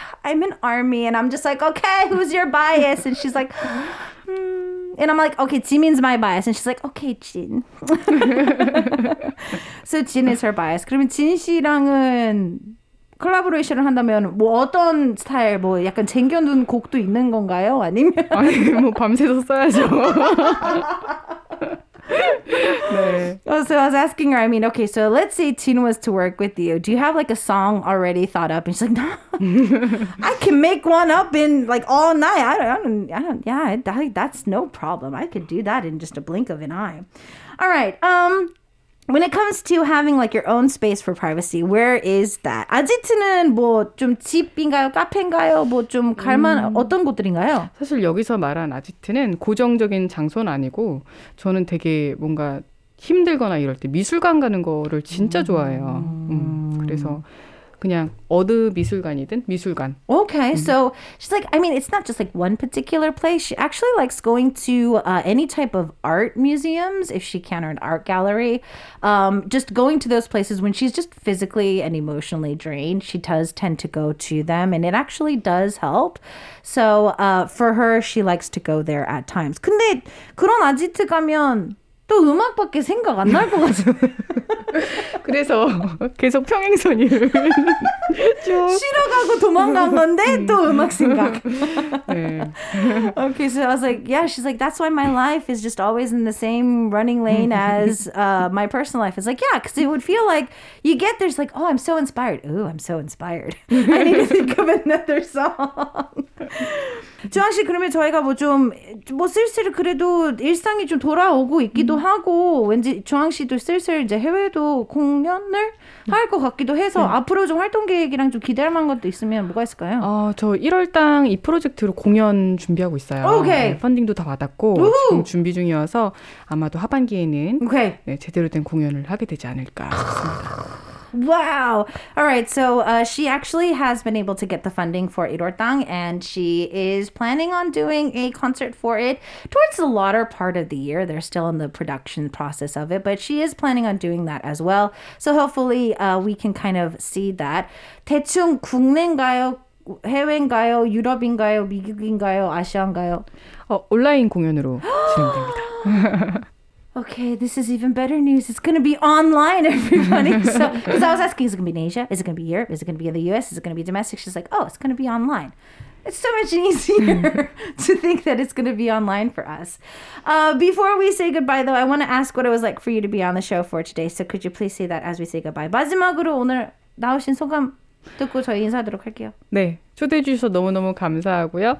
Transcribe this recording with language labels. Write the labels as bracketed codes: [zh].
[en] I'm an army, and I'm just like, okay, who's your bias? And she's like, and I'm like, okay, Jimin's my bias. And she's like, okay, Jin. So Jin is her bias. [ko] 그러면 진 씨랑은 콜라보레이션을 한다면 뭐 어떤 스타일, 뭐 약간 쟁겨둔 곡도 있는 건가요? 아니면 아니 뭐 밤새서 써야죠. 네. [en] Oh, so I was asking her, I mean, okay, so let's say Tina was to work with you. Do you have like a song already thought up? And she's like, no, I can make one up in like all night. I don't, yeah, that's no problem. I could do that in just a blink of an eye. All right. When it comes to having like your own space for privacy, where is that? [ko] 아지트는 뭐 좀 집인가요? 카페인가요? 뭐 좀 갈만한 어떤 곳들인가요? 사실 여기서 말한 아지트는 고정적인 장소는 아니고 저는 되게 뭔가 힘들거나 이럴 때 미술관 가는 거를 진짜 좋아해요. 그래서 그냥 어느 미술관이든 미술관. [en] Okay, so she's like, I mean, it's not just like one particular place. She actually likes going to any type of art museums, if she can, or an art gallery. Just going to those places when she's just physically and emotionally drained, she does tend to go to them, and it actually does help. So for her, she likes to go there at times. [ko] 근데 그런 아지트 가면 또 음악밖에 생각 안 날 것 같아요. 그래서 계속 평행선을 쭉 쉬러 가고 도망간 건데 또 음악 생각. 네. [en] Okay, so I was like, yeah, she's like, that's why my life is just always in the same running lane as my personal life. It's like, yeah, because it would feel like you get there's like, oh, I'm so inspired. Ooh, I'm so inspired. I need to think of another song. [ko] 지원 씨, 그러면 저희가 뭐 좀 뭐 슬슬 그래도 일상이 좀 돌아오고 있기도 하고 왠지 주황 씨도 슬슬 이제 해외도 공연을 할 것 같기도 해서 앞으로 좀 활동 계획이랑 좀 기대할 만한 것도 있으면 뭐가 있을까요? 저 1월 당 이 프로젝트로 공연 준비하고 있어요. 오케이. 네, 펀딩도 다 받았고 우후! 지금 준비 중이어서 아마도 하반기에는 오케이. 네, 제대로 된 공연을 하게 되지 않을까 싶습니다. [en] Wow. All right. So she actually has been able to get the funding for Irortang, and she is planning on doing a concert for it towards the latter part of the year. They're still in the production process of it, but she is planning on doing that as well. So hopefully we can kind of see that. [ko] 대충 국내인가요? 해외인가요? 유럽인가요? 미국인가요? 아시아인가요? 온라인 공연으로 진행됩니다. [en] Okay, this is even better news. It's going to be online, everybody. So, because I was asking, is it going to be in Asia? Is it going to be Europe? Is it going to be in the US? Is it going to be domestic? She's like, oh, it's going to be online. It's so much easier to think that it's going to be online for us. Before we say goodbye, though, I want to ask what it was like for you to be on the show for today. So could you please say that as we say goodbye? [ko] 마지막으로 오늘 나오신 소감 듣고 저희 인사하도록 할게요. 네, 초대해 주셔서 너무너무 감사하고요.